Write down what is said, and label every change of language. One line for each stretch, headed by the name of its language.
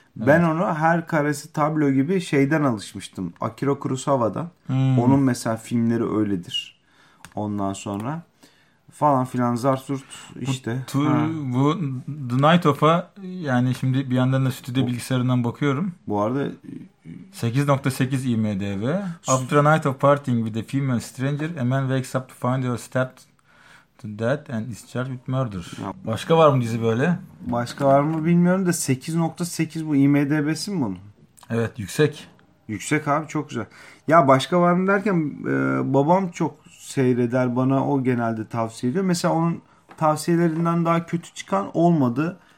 Turkish: Ben onu her karesi tablo gibi şeyden alışmıştım. Akira Kurosawa'dan. Hmm. Onun mesela filmleri öyledir. Ondan sonra falan filan zarzurt işte. Bu The Night Of'a yani şimdi bir yandan da stüdyo bilgisayarından bakıyorum. Bu arada... 8.8 IMDb.
English: After a night of partying with a female stranger, a man wakes up to find her stabbed to death and is charged with murder.
Turkish: Başka var mı dizi böyle? Başka var mı bilmiyorum da 8.8 bu IMDb'si mi bunun? Evet, yüksek. Yüksek abi, çok güzel. Ya başka var mı derken babam çok seyreder, bana o genelde tavsiye ediyor. Mesela onun tavsiyelerinden daha kötü çıkan olmadı.